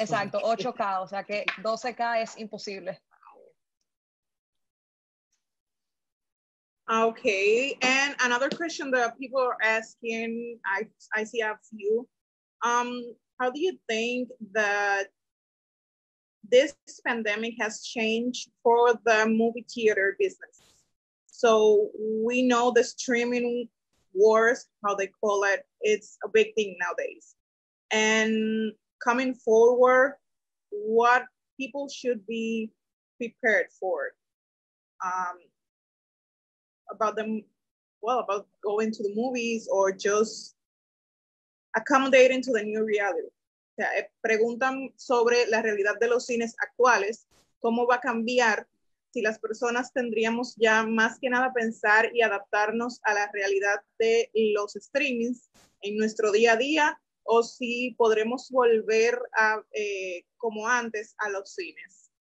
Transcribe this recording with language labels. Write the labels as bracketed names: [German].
[Spanish] Exacto, 8K, o sea que 12K es imposible. [English] Okay, and another question that people are asking, I see a few. How do you think that this pandemic has changed for the movie theater business? So we know the streaming wars, how they call it, it's a big thing nowadays. And coming forward, what people should be prepared for about them, well, about going to the movies or just accommodating to the new reality? [Spanish] Preguntan sobre la realidad de los cines actuales, cómo va a cambiar, si las personas tendríamos ya más que nada pensar y adaptarnos a la realidad de los streamings en nuestro día a día, o si podremos volver a, como antes, a los cines.